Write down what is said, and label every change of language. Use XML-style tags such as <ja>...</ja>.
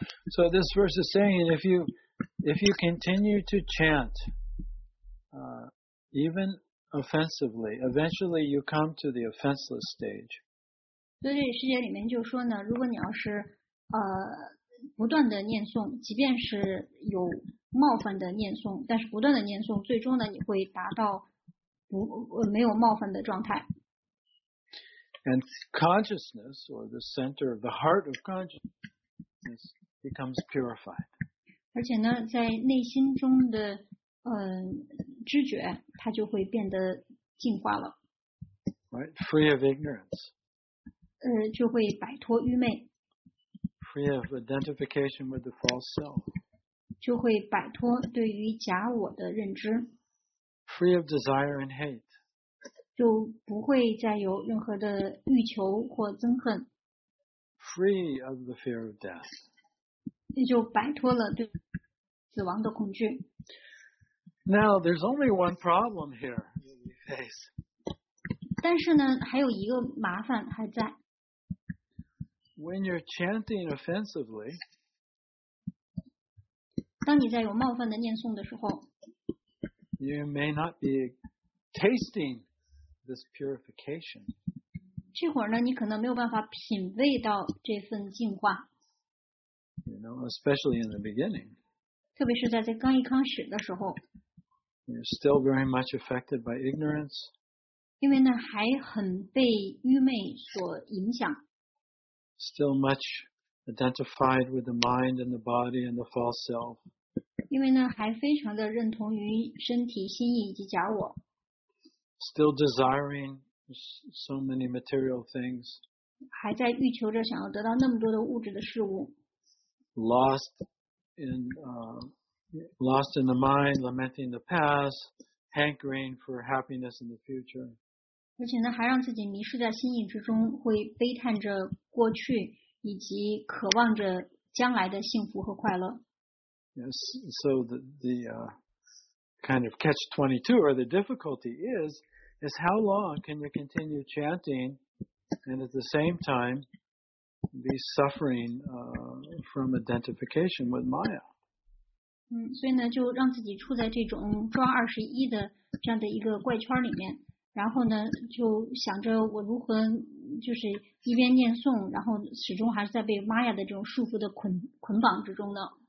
<en>So this verse is saying, if you continue to chant, even offensively, eventually you come to the offenseless stage.</en> <zh>所以这个世界里面就说呢，如果你要是不断的念诵，即便是有冒犯的念诵，但是不断的念诵，最终呢你会达到没有冒犯的状态。</zh> <en>And consciousness, or the center of the heart of consciousness, becomes purified.</en> <zh>而且呢，在内心中的知觉它就会变得净化了。</zh> <en>Right, free of ignorance.</en> <zh>就会摆脱愚昧。</zh> <en>Free of identification with the false self.</en> <zh>就会摆脱对于假我的认知。</zh> <en>Free of desire and hate.</en> <zh>就不会再有任何的欲求或憎恨。</zh> <en>Free of the fear of death.</en> <zh>就摆脱了对死亡的恐惧。</zh> <en>Now, there's only one problem here that we face.</en> <zh>但是呢，还有一个麻烦还在。</zh> <en>When you're chanting offensively,</en> <zh>当你在有冒犯的念诵的时候，</zh> <en>you may not be tasting this purification.</en> <zh>这会儿呢，你可能没有办法品味到这份净化。</zh> <en>You know, especially in the beginning.</en> <zh>特别是在这刚一开始的时候。</zh> <en>You're still very much affected by ignorance.</en> <zh>因为呢，还很被愚昧所影响。</zh> <en>Still much identified with the mind and the body and the false self.</en> <zh>因为呢，还非常的认同于身体、心意以及假我。</zh> <en>Still desiring so many material things.</en> <zh>还在欲求着想要得到那么多的物质的事物。</zh> <en>Lost in the mind, lamenting the past, hankering for happiness in the future.</en> <zh>而且呢，还让自己迷失在心意之中，会悲叹着过去，以及渴望着将来的幸福和快乐。</zh> <en>So the kind of catch 22 or the difficulty is how long can you continue chanting and at the same time be suffering from identification with Maya?</en> <zh>所以呢就让自己处在这种抓21的这样的一个怪圈里面，然后呢就想着我如何就是一边念诵，然后始终还是在被玛雅的这种束缚的捆绑之中呢。</zh>